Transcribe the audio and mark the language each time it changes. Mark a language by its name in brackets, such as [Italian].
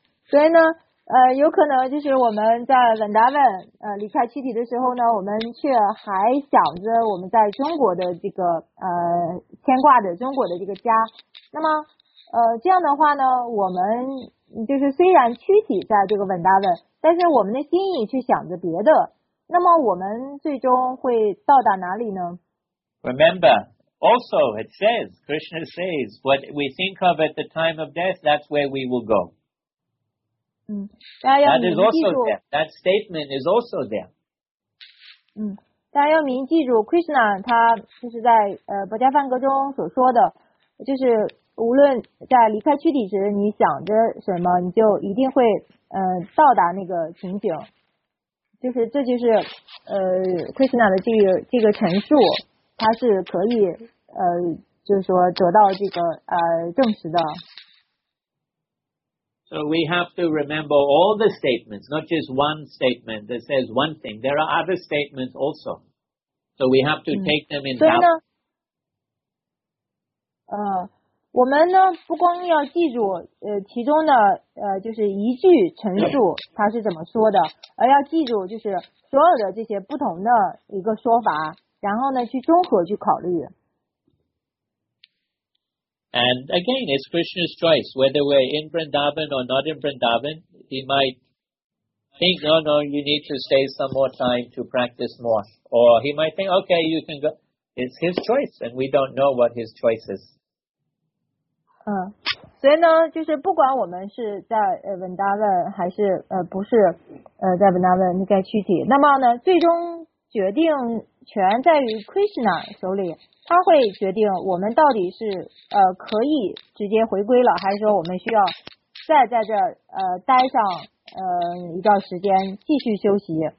[Chinese] 所以呢有可能就是我们在文达文离开躯体的时候呢，我们却还想着我们在中国的这个牵挂着中国的这个家。那么这样的话呢，我们就是虽然躯体在这个文达文，但是我们的心意却想着别的。那么我们最终会到达哪里呢？ [English] Remember. Also, it says, Krishna says, what we think of at the time of death, that's where we will go. That is also there. That statement is also there. [Chinese] 大家要铭记住 Krishna 他就是在《薄伽梵歌》中所说的，就是无论在离开躯体时你想着什么，你就一定会到达那个情景。就是这就是Krishna 的这个陈述。他是可以就是说得到这个证实的。 [English] So we have to remember all the statements, not just one statement that says one thing. There are other statements also. So we have to take them in doubt. [Chinese] 我们呢不光要记住其中的就是一句陈述他是怎么说的，而要记住就是所有的这些不同的一个说法，然后呢去综合去考虑。 [English] And again, it's Krishna's choice, whether we're in Vrindavan or not in Vrindavan, he might think, no, no, you need to stay some more time to practice more. Or he might think, okay, you can go. It's his choice, and we don't know what his choice is. [Chinese] 所以呢，就是不管我们是在文达文还是不是在文达文那个躯体，那么呢，最终决定权在于 Krishna 手里，他会决定我们到底是可以直接回归了，还是说我们需要再在这待上一段时间继续休息。